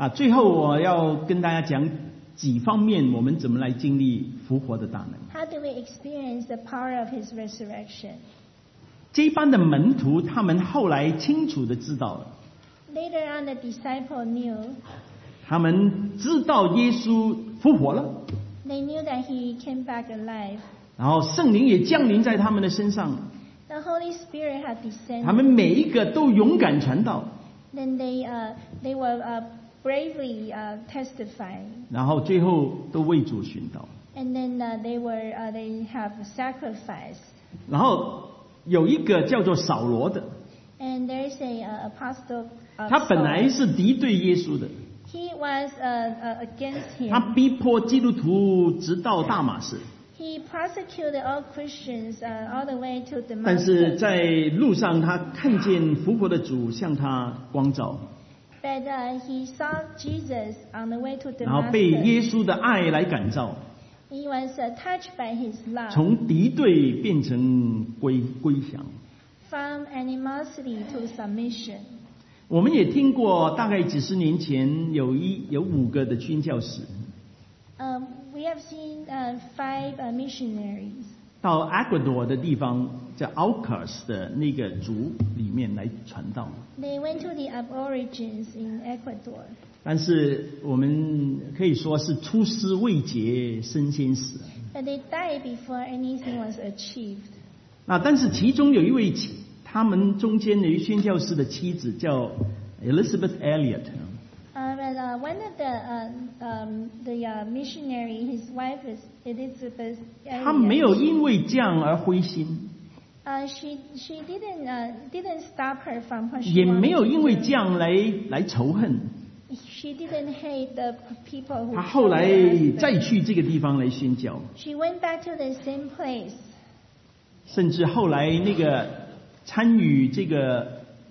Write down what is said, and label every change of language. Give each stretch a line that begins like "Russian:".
Chinese: 最后我要跟大家讲几方面我们怎么来经历复活的大能。
English: How do we experience the power of his resurrection?
Chinese: 这班的门徒他们后来清楚地知道了。
English: Later on the disciple knew.
Chinese: 他们知道耶稣复活了。
English: They knew that he came back alive.
Chinese: 然后圣灵也降临在他们的身上。
English: The Holy Spirit had descended.
Chinese: 他们每一个都勇敢传道。
English: Then they were bravely testifying.
Chinese: 然后最后都为主殉道。
English: And then they have sacrificed.
Chinese: 然后有一个叫做扫罗的。
English: And there is an apostle.
Chinese: 他本来是敌对耶稣的。
English: He was against him.
Chinese: 他逼迫基督徒直到大马士。
English: He persecuted all Christians all the way to Damascus.
Chinese: 但是在路上，他看见复活的主向他光照。
English: But he saw Jesus on the way to Damascus.
Chinese: 然后被耶稣的爱来感召。
English: He was touched by his love.
Chinese: 从敌对变成归降。
English: From animosity to submission.
Chinese: 我们也听过，大概几十年前有五个的宣教士。
English: We have seen five missionaries.
Chinese: 到 Ecuador 的地方，在 Alcas 的那个族里面来传道。
English: They went to the aborigines in Ecuador.
Chinese: 但是我们可以说是出师未捷身先死。
English: But they died before anything was achieved.
Chinese: 那但是其中有一位，他们中间的宣教士的妻子叫 Elizabeth Elliot。
English: One of missionary, his wife is Elizabeth.
Chinese: 她没有因为这样而灰心。
English: She didn't stop her from what she
Chinese: wanted. 也没有因为这样来仇恨。
English: She didn't hate the people who.
Chinese: 她后来再去这个地方来宣教。
English: She went back to the same place.
Chinese: 甚至后来那个参与这个